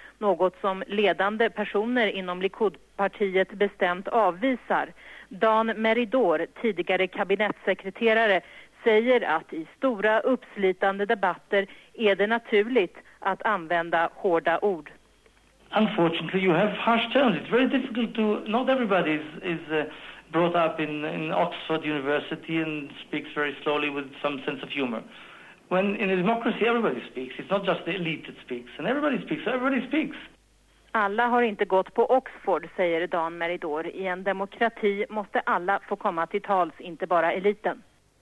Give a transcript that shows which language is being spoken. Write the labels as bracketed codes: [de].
[sv] Något som ledande personer inom Likud-partiet bestämt avvisar. Dan Meridor, tidigare kabinettssekreterare, säger att i stora uppslitande debatter är det naturligt att använda hårda ord. [en] Unfortunately, you have harsh terms. It's very difficult to... Not everybody is brought up in Oxford University and speaks very slowly with some sense of humor. When in a democracy everybody speaks, it's not just the elite that speaks. And everybody speaks, so everybody speaks. [sv] Alla har inte gått på Oxford, säger Dan Meridor. I en demokrati måste alla få komma till tals, inte bara eliten.